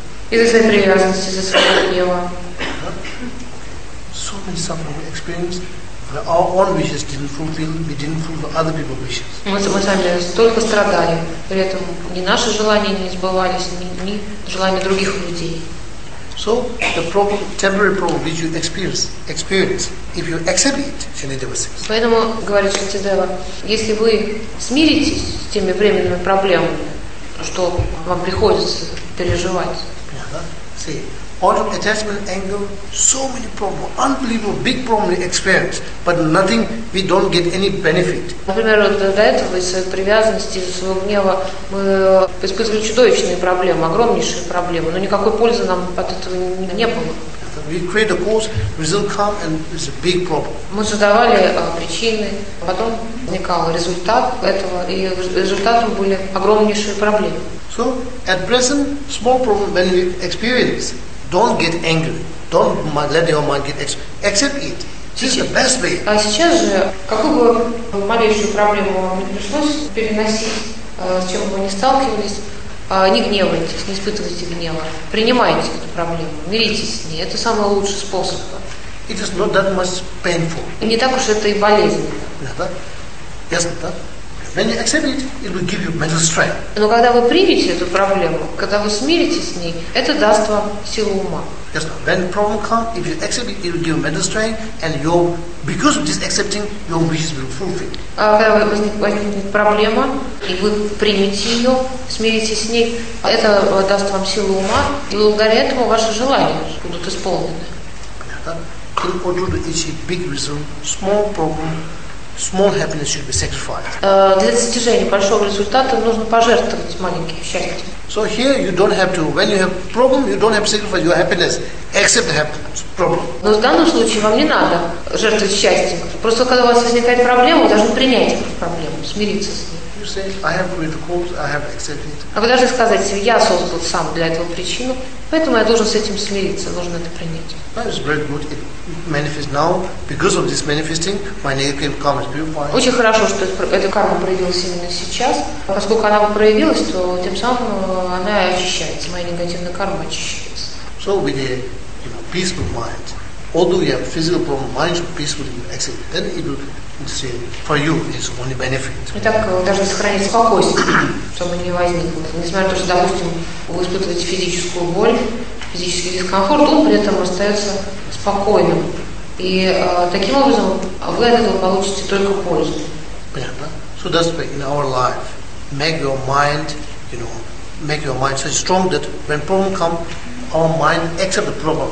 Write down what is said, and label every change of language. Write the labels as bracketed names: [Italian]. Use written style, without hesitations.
[Russian] Из-за своей привязанности, из-за своего гнева. [English] So many suffering we experienced. Our own wishes didn't fulfill, we didn't fulfill other people's wishes. [Russian] Мы сами столько страдали. При этом ни наши желания не сбывались, ни желания других людей. [English] So the temporary problem which you experience, if you accept it, Shanidhava says. [Russian] Поэтому говорит Шанидева, если вы смиритесь с теми временными проблемами, что вам приходится переживать. [English] See, out of attachment, anger, so many problems, unbelievable, big problems we experience, but nothing, we don't get any benefit. [Russian] Например, до этого из своей привязанности, из своего гнева мы испытывали чудовищные проблемы, огромнейшие проблемы, но никакой пользы нам от этого не было. [English] We create a cause, result come, and it's a big problem. [Russian] Мы создавали причины, потом возникал результат этого, и результатом были огромнейшие проблемы. [English] So, at present, small problem when we experience. Don't get angry. Don't let your mind get angry. Accept it. This is the best way. [Russian] А сейчас же, какую бы малейшую проблему вам не пришлось переносить, с чем бы вы ни сталкивались, не гневайтесь, не испытывайте гнева. Принимайте эту проблему, миритесь с ней. Это самый лучший способ. [English] It is not that much painful. [Russian] Не так уж это и болезненно. Да? Ясно, да? [English] When you accept it, it will give you mental strength. [Russian] Но когда вы примете эту проблему, когда вы смиритесь с ней, это даст вам силу ума. [English] Yes, when problem comes, if you accept it, it will give you mental strength, and your because of this accepting, your wishes will fulfill. [Russian] А когда возникнет проблема, и вы примете ее, смиритесь с ней, это даст вам силу ума, и благодаря этому ваши желания будут исполнены. [English] In order to achieve big result, small problem. Small happiness should be sacrificed. [Russian] Для достижения большого результата нужно пожертвовать маленьким счастьем. [English] So here you don't have to. When you have problem, you don't have to sacrifice your happiness. Accept the happiness, problem. [Russian] Но в данном случае вам не надо жертвовать счастьем. Просто когда у вас возникает проблема, вы должны принять эту проблему, смириться с ней. [English] You say, I have created the cause, I have accepted it. [Russian] А вы должны сказать себе, я создал сам для этого причину, поэтому я должен с этим смириться, должен это принять. [English] That is very good. It manifests now. Because of this manifesting, my negative karma is purified. [Russian] Очень хорошо, что эта карма проявилась именно сейчас. Поскольку она проявилась, то тем самым она и очищается. Моя негативная карма очищается. [English] So with a peaceful mind, although you have physical problem, mind should be peaceful in exit, then it will say for you is only benefit. [Russian] Итак, даже сохранить спокойствие, чтобы не возникло. Несмотря на то, что, допустим, вы испытываете физическую боль, физический дискомфорт, он при этом остается спокойным. И таким образом вы от этого получите только пользу. Понятно? [English] So that's why in our life, make your mind, make your mind so strong that when problem come, our mind accept the problem.